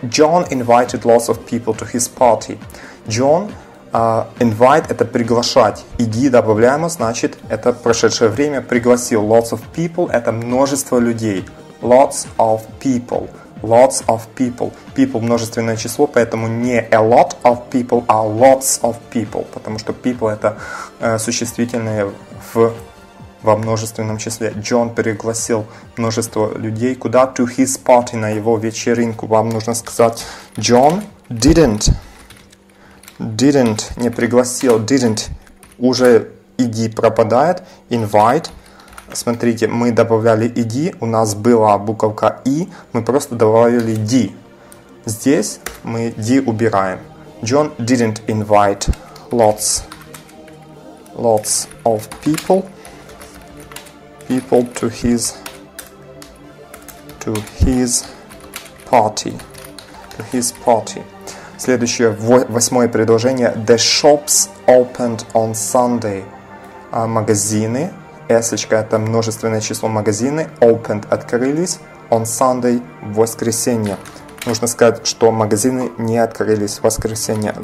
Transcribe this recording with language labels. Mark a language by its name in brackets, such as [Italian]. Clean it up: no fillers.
[English] John invited lots of people to his party. John invite [Russian] – это приглашать. Иди добавляемо, значит, это прошедшее время пригласил. [English] Lots of people – [Russian] это множество людей. [English] Lots of people. Lots of people. People – [Russian] множественное число, поэтому не [English] a lot of people, а lots of people. [Russian] Потому что people – это существительное во множественном числе. John пригласил множество людей. Куда? [English] To his party, [Russian] на его вечеринку. Вам нужно сказать [English] John didn't. Didn't, [Russian] не пригласил, [English] didn't, [Russian] уже ed пропадает, invite. Смотрите, мы добавляли ed, у нас была буковка i, мы просто добавили d. Здесь мы d убираем. [English] John didn't invite lots of people to his party. [Russian] Следующее, восьмое предложение. [English] The shops opened on Sunday. [Russian] Магазины. S-очка – это множественное число. Магазины [English] opened [Russian] – открылись [English] on Sunday [Russian] – воскресенье. Нужно сказать, что магазины не открылись в воскресенье.